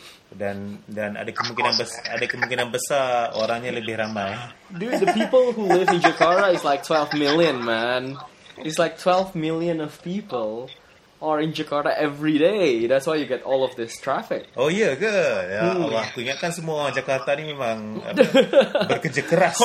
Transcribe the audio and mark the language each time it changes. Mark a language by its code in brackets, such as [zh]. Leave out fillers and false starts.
[ms] Dan ada kemungkinan besar orangnya lebih ramai. [en] Dude, the people who live in Jakarta is like 12 million, man. It's like 12 million of people are in Jakarta every day. That's why you get all of this traffic. Oh yeah, good. [ms] Ya Allah, aku ingatkan semua orang Jakarta ni memang bekerja keras.